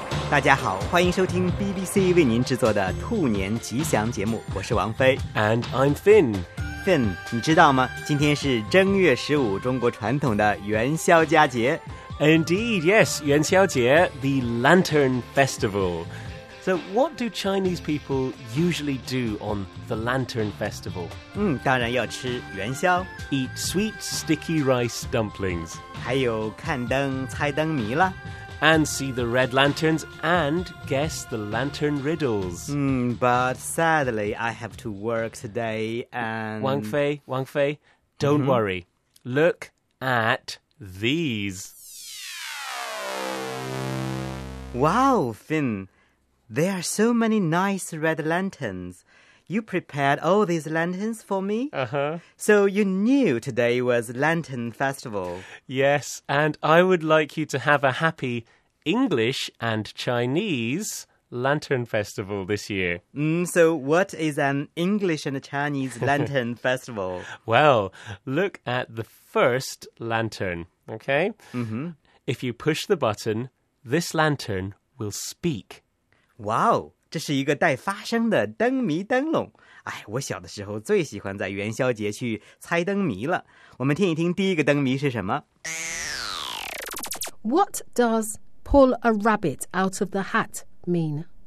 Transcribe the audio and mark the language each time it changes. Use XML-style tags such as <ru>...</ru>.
<zh>大家好，欢迎收听 BBC 为您制作的兔年吉祥节目，我是王飞。</zh> <en>And I'm Finn。</en> <zh>Finn， 你知道吗？今天是正月十五，中国传统的元宵佳节。</zh> <en>Indeed, yes, 元宵节 The Lantern Festival。 So what do Chinese people usually do on the Lantern Festival?</en> <zh>当然要吃元宵。</zh> <en>Eat sweet sticky rice dumplings.</en> <zh>还有看灯、猜灯谜啦。</zh> <en>And see the red lanterns and guess the lantern riddles. But sadly, I have to work today and... Wang Fei, don't worry. Look at these. Wow, Finn. There are so many nice red lanterns. You prepared all these lanterns for me? Uh-huh. So you knew today was Lantern Festival. Yes, and I would like you to have a happy English and Chinese Lantern Festival this year. So what is an English and Chinese Lantern Festival? Well, look at the first lantern, okay? Mm-hmm. If you push the button, this lantern will speak.</en> <zh>Wow, 这是一个带发声的灯谜灯笼。哎，我小的时候最喜欢在元宵节去猜灯谜了。我们听一听第一个灯谜是什么。</zh> <en>What does pull a rabbit out of the hat mean?</en>